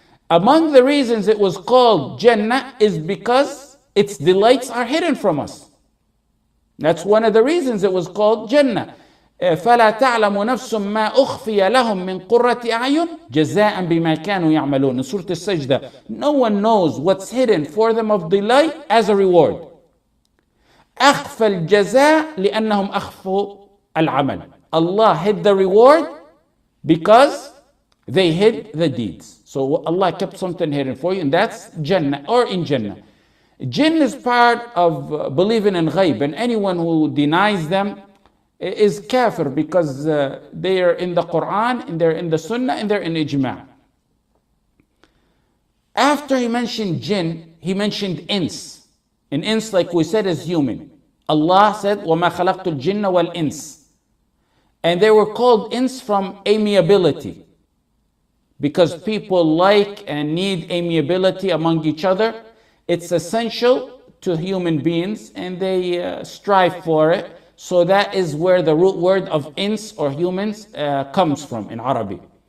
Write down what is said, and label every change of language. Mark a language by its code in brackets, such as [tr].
[en] Among the reasons it was called Jannah is because its delights are hidden from us. That's one of the reasons it was called Jannah. [ar] فَلَا تَعْلَمُ نَفْسٌ مَا أُخْفِيَ لَهُمْ مِنْ قُرَّةِ أَعْيُنٍ جَزَاءً بِمَا كَانُوا يَعْمَلُونَ. Surah Al-Sajda. [en] No one knows what's hidden for them of delight as a reward. [ar] أخفى الجزاء لأنهم أخفوا العمل. [en] Allah hid the reward because they hid the deeds. So Allah kept something hidden for you, and that's Jannah, or in Jannah. Jinn is part of believing in ghaib, and anyone who denies them is kafir, because they are in the Quran, and they're in the Sunnah, and they're in Ijma'. After he mentioned jinn, he mentioned ins. An ins, like we said, is human. Allah said, [ar] وَمَا خَلَقْتُ الْجِنَّ وَالْإِنْسِ. [en] And they were called ins from amiability, because people like and need amiability among each other. It's essential to human beings, and they strive for it. So that is where the root word of ins, or humans, comes from in Arabic.